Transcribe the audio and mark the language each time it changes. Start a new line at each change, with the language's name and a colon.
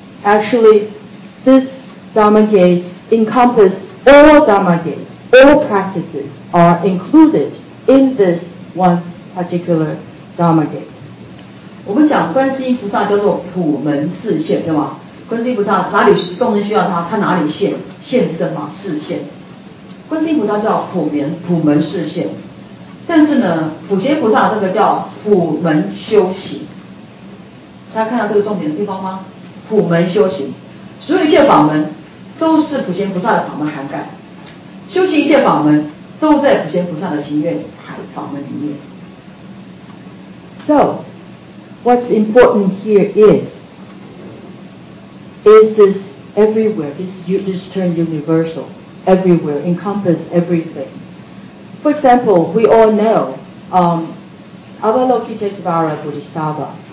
English: Actually, this Dharma gate encompasses all Dharma gates, all practices are included in this one particular Dharma gate.
Chinese: 我们讲观世音菩萨叫做普门示现，对吗？观世音菩萨哪里众生需要他，他哪里现，现是什么？示现。观世音菩萨叫普门示现，但是呢，普贤菩萨这个叫普门修行。大家看到这个重点的地方吗？普门修行，所有一切法门都是普贤菩萨的法门涵盖，修行一切法门都在普贤菩萨的行愿法门里面。
English: So, what's important here is this everywhere? This term universal. Everywhere, encompass everything. For example, we all know Avalokiteshvara Bodhisattva.